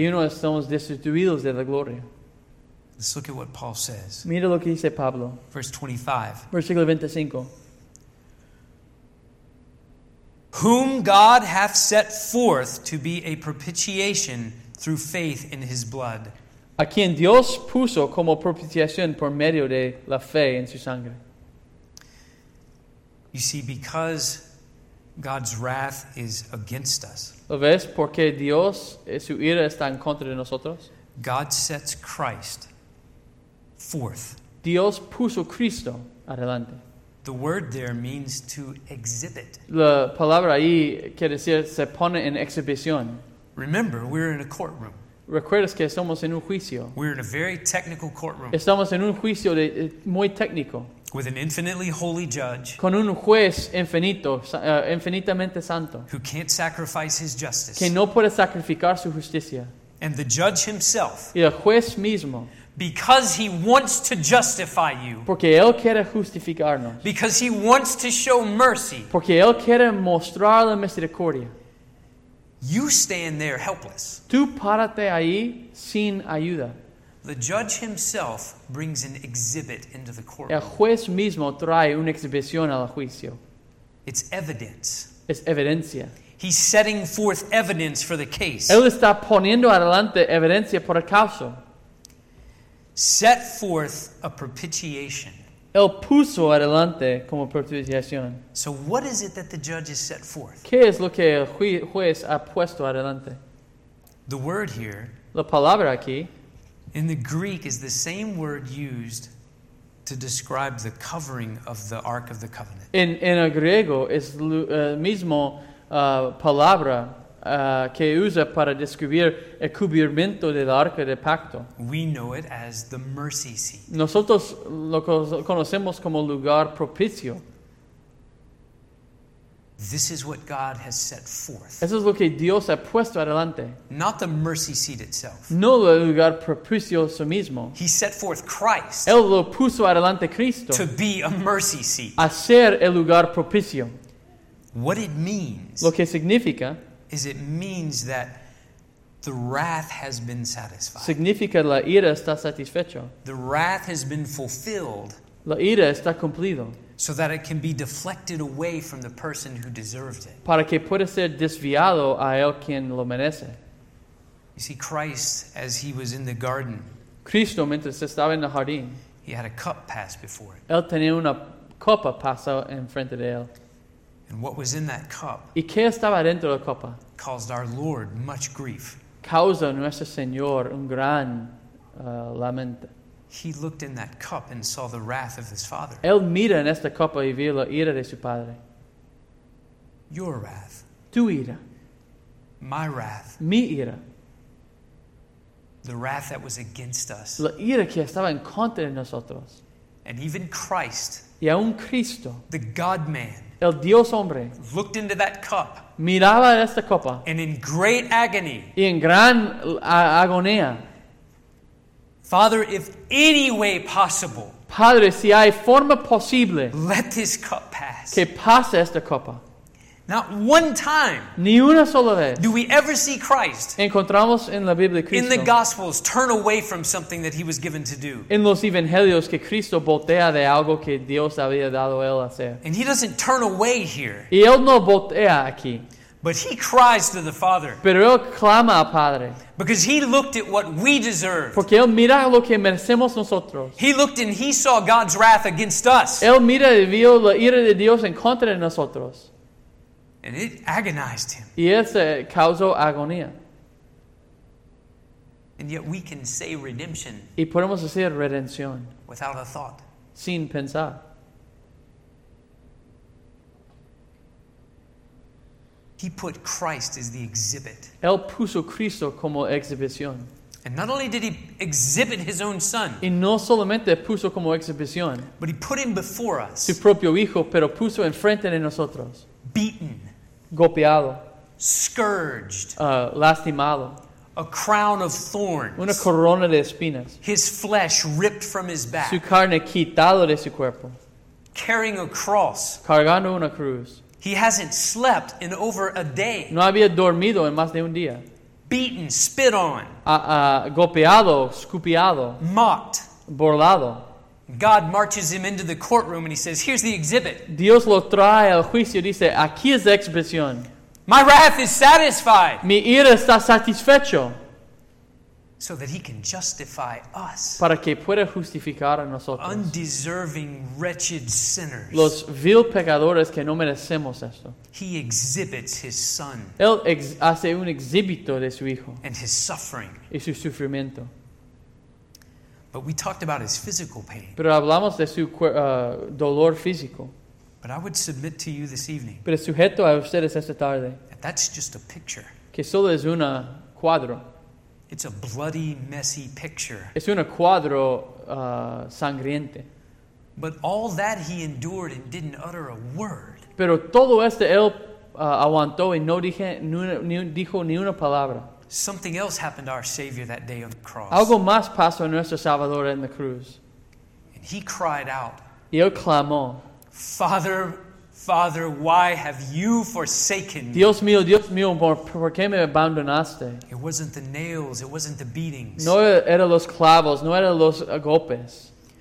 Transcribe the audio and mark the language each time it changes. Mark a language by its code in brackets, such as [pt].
[es] Y uno es somos destituidos de la gloria. [en] Let's look at what Paul says. [es] Mira lo que dice Pablo. [en] Verse 25. [es] Versículo 25. [en] Whom God hath set forth to be a propitiation through faith in His blood. [es] A quien Dios puso como propiciación por medio de la fe en su sangre. [en] You see, because God's wrath is against us. [es] ¿Lo ves? Porque Dios, su ira está en contra de nosotros. [en] God sets Christ forth. [es] Dios puso Cristo adelante. [en] The word there means to exhibit. [es] La palabra ahí quiere decir se pone en exhibición. [en] Remember, we're in a courtroom. [es] Recuerdas que estamos en un juicio. [en] We're in a very technical courtroom. [es] Estamos en un juicio muy técnico. [en] With an infinitely holy judge. [es] Con un juez infinito, infinitamente santo. [en] Who can't sacrifice his justice. [es] Que no puede sacrificar su justicia. [en] And the judge himself. [es] Y el juez mismo. [en] Because he wants to justify you. [es] Porque él quiere justificarnos. [en] Because he wants to show mercy. [es] Porque él quiere mostrar la misericordia. [en] You stand there helpless. [es] Tú párate ahí sin ayuda. [en] The judge himself brings an exhibit into the court. [es] El juez mismo trae una exhibición al juicio. [en] It's evidence. [es] Es evidencia. [en] He's setting forth evidence for the case. [es] Él está poniendo adelante evidencia por el caso. [en] Set forth a propitiation. [es] Él puso adelante como propiciación. [en] So what is it that the judge has set forth? [es] ¿Qué es lo que el juez ha puesto adelante? [en] The word here. [es] La palabra aquí. [en] In the Greek is the same word used to describe the covering of the Ark of the Covenant. [es] En el griego es la misma palabra que usa para describir el cubrimiento del arca del pacto. [en] We know it as the mercy seat. [es] Nosotros lo conocemos como lugar propicio. [en] This is what God has set forth. [es] Eso es lo que Dios ha puesto adelante. [en] Not the mercy seat itself. [es] No el lugar propicio su mismo. [en] He set forth Christ. [es] Él lo puso adelante Cristo. [en] To be a mercy seat. [es] A ser el lugar propicio. [en] What it means. [es] Lo que significa. [en] Is it means that the wrath has been satisfied. [es] Significa la ira está satisfecho. [en] The wrath has been fulfilled. [es] La ira está cumplido. [en] So that it can be deflected away from the person who deserved it. [es] Para que pueda ser desviado a él quien lo merece. [en] You see, Christ, as he was in the garden. [es] Cristo, mientras estaba en el jardín. [en] He had a cup passed before it. [es] Él tenía una copa pasada en frente de él. [en] And what was in that cup? [es] ¿Y qué estaba dentro de la copa? [en] Caused our Lord much grief. [es] Causa nuestro Señor un gran lamento. [en] He looked in that cup and saw the wrath of his Father. [es] Él mira en esta copa y vio la ira de su padre. [en] Your wrath. [es] Tu ira. [en] My wrath. [es] Mi ira. [en] The wrath that was against us. [es] La ira que estaba en contra de nosotros. [en] And even Christ. [es] Y aún Cristo. [en] The God-Man. [es] El Dios hombre [en] looked into that cup, [es] miraba esta copa, [en] and in great agony, [es] y en gran agonía, [en] Father, if any way possible, [es] Padre, si hay forma posible, [en] let this cup pass, [es] que pase esta copa. [en] Not one time, [es] ni una sola vez, [en] do we ever see Christ, [es] encontramos en la Biblia Cristo, [en] in the Gospels, turn away from something that He was given to do. [es] En los Evangelios que Cristo voltea de algo que Dios había dado a él hacer. [en] And He doesn't turn away here. [es] Y él no voltea aquí. [en] But He cries to the Father. [es] Pero él clama al Padre. [en] Because He looked at what we deserve. [es] Porque él mira lo que merecemos nosotros. [en] He looked and He saw God's wrath against us. [es] Él mira y vio la ira de Dios en contra de nosotros. [en] And it agonized him. [es] Y ese causó agonía. [en] And yet we can say redemption. [es] Y podemos decir redención. [en] Without a thought. [es] Sin pensar. [en] He put Christ as the exhibit. [es] Él puso Cristo como exhibición. [en] And not only did he exhibit his own son. [es] Y no solamente puso como exhibición. [en] But he put him before us. [es] Su propio hijo, pero puso enfrente de nosotros. [en] Beaten. [es] Golpeado. [en] Scourged. [es] Lastimado. [en] A crown of thorns. [es] Una corona de espinas. [en] His flesh ripped from his back. [es] Su carne quitado de su cuerpo. [en] Carrying a cross. [es] Cargando una cruz. [en] He hasn't slept in over a day. [es] No había dormido en más de un día. [en] Beaten, spit on. [es] Golpeado, escupiado. [en] Mocked. [es] Burlado. [en] God marches him into the courtroom and he says, here's the exhibit. [es] Dios lo trae al juicio y dice, aquí es la exhibición. [en] My wrath is satisfied. [es] Mi ira está satisfecho. [en] So that he can justify us. [es] Para que pueda justificar a nosotros. [en] Undeserving, wretched sinners. [es] Los vil pecadores que no merecemos esto. [en] He exhibits his son. [es] Él hace un exhibito de su hijo. [en] And his suffering. [es] Y su sufrimiento. [en] But we talked about his physical pain. [es] Pero hablamos de su dolor físico. [en] But I would submit to you this evening. [es] Pero sujeto a ustedes esta tarde. [en] That's just a picture. [es] Que solo es un cuadro. [en] It's a bloody, messy picture. [es] Es un cuadro sangriente. [en] But all that he endured and didn't utter a word. [es] Pero todo esto él aguantó y no dije, dijo ni una palabra. [en] Something else happened to our Savior that day on the cross. [es] Algo más pasó a nuestro Salvador en la cruz. [en] And he cried out. [es] Y él clamó. [en] Father, Father, why have you forsaken me? [es] Dios mío, ¿por qué me abandonaste? [en] It wasn't the nails, it wasn't the beatings. [es] No eran los clavos, no eran los golpes.